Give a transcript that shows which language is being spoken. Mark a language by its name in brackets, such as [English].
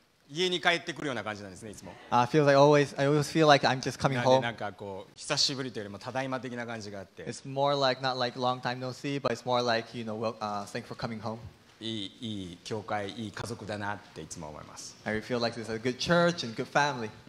[Japanese] 家に帰ってくるような感じなんですね、いつも。 [English] I always feel like I'm just coming home. [Japanese] なんかこう久しぶりというよりもただいま的な感じがあって。 [English] It's more like not like long time no see, but it's more like you know, thank for coming home. [Japanese] いい教会、いい家族だなっていつも思います。 [English] I feel like this is a good church and good family.